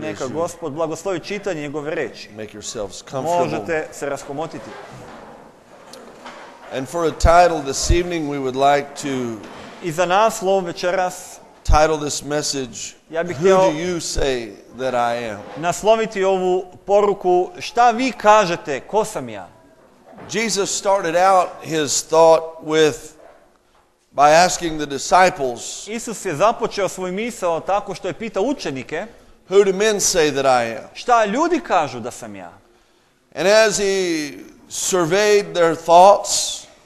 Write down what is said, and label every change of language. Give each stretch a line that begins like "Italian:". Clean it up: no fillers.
Serbian: Neka Gospod blagoslovi čitanje njegove reči.
English: Make yourselves comfortable.
Serbian: Možete se raskomotiti.
English: And for a title this evening, we would like to
Serbian: I za naslov večeras,
English: title this message,
Serbian: ja bih
English: Who do you say that I am?
Serbian: Nasloviti ovu poruku, šta vi kažete, ko sam ja?
English: Jesus started out his thought with, by asking the disciples,
Serbian: Isus je započeo svoj misao tako što je pitao učenike,
English: Who do men say that I am?
Serbian: Šta ljudi kažu da sam ja?
English: And as he surveyed their thoughts,